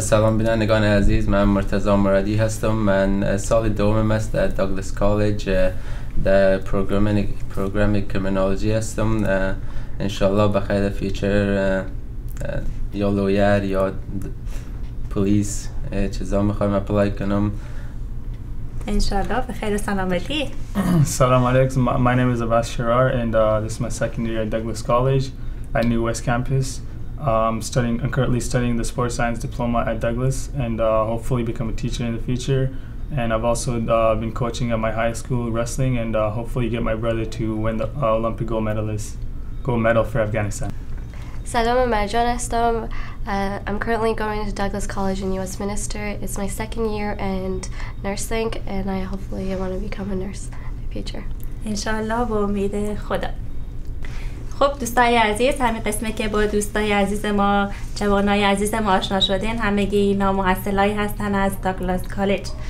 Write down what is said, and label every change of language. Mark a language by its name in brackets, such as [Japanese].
[Persian] سلام بینندگان عزیز، من مرتضی مرادی هستم. من سال دومم است در داگلس کالج در پروگرام کریمینولوژی هستم. انشاءالله بخیر فیوچر یا لویر یا پلیس چیزا میخوایم اپلای کنم انشاءالله بخیر سلامتی. [English] سلام علیکم، my name is Abbas Sharar and this is my second year at Douglas College at New West Campus. I'm currently studying the sports science diploma at Douglas, and hopefully become a teacher in the future. And I've also been coaching at my high school wrestling, and hopefully get my brother to win the Olympic gold medal for Afghanistan. [Persian] Salam Majan Astam. [English] I'm currently going to Douglas College in Westminster. It's my second year in nursing, and I want to become a nurse in the future. [Persian] Inshallah, با امید خدا. خب دوستای عزیز، همین قسمه که با دوستای عزیز ما، جوانای عزیز ما آشنا شدین، همگی نامحصلایی هستن از داگلاس کالج.